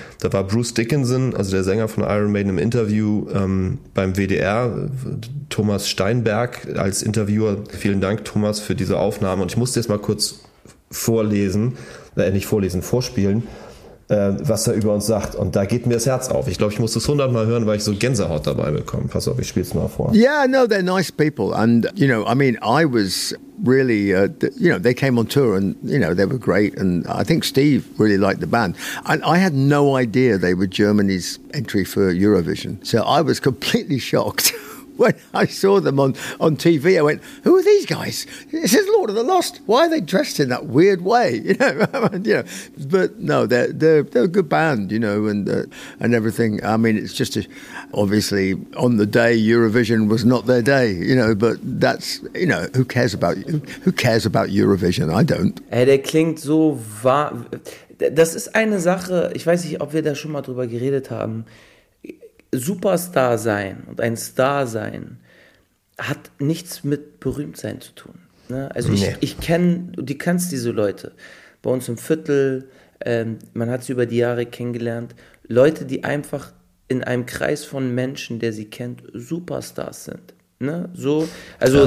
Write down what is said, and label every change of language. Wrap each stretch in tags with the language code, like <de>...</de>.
<de>Da war Bruce Dickinson, also der Sänger von Iron Maiden, im Interview beim WDR. Thomas Steinberg als Interviewer. Vielen Dank, Thomas, für diese Aufnahme. Und ich musste jetzt mal kurz vorspielen, was er über uns sagt. Und da geht mir das Herz auf. Ich glaube, ich muss das 100 Mal hören, weil ich so Gänsehaut dabei bekomme. Pass auf, ich spiel's mal vor.</de> <en>Yeah, no, they're nice people. And, you know, I mean, I was really, you know, they came on tour and, you know, they were great. And I think Steve really liked the band. And I had no idea they were Germany's entry for Eurovision. So I was completely shocked. When I saw them on TV, I went, who are these guys? This is Lord of the Lost. Why are they dressed in that weird way? You know, you know. But no, they're a good band, you know, and everything. I mean, it's just obviously on the day Eurovision was not their day, you know, but that's, you know, who cares about you? Who cares about Eurovision? I don't.</en> <de>Hey, der klingt so wahr. Das ist eine Sache, ich weiß nicht, ob wir da schon mal drüber geredet haben. Superstar sein und ein Star sein hat nichts mit Berühmtsein zu tun. Ne? Also nee. Ich kenne, du kennst diese Leute bei uns im Viertel, man hat sie über die Jahre kennengelernt, Leute, die einfach in einem Kreis von Menschen, der sie kennt, Superstars sind. Ne? So, also ja.</de>